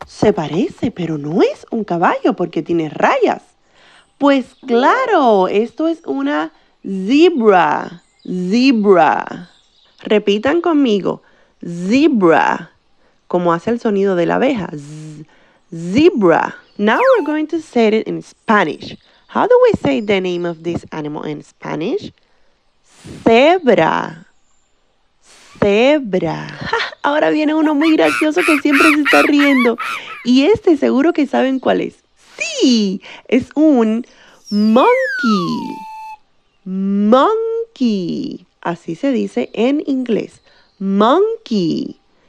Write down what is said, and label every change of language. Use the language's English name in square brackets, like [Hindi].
[Spanish] Se parece, pero no es un caballo porque tiene rayas. Pues claro, esto es una zebra. Zebra. Repitan conmigo. Zebra. Como hace el sonido de la abeja. Z zebra. [English] Now we're going to say it in Spanish. How do we say the name of this animal in Spanish? [Spanish] Zebra. Zebra. Ahora viene uno muy gracioso que siempre se está riendo. Y este seguro que saben cuál es. Sí, es un monkey. Monkey. Así se dice en inglés. Monkey.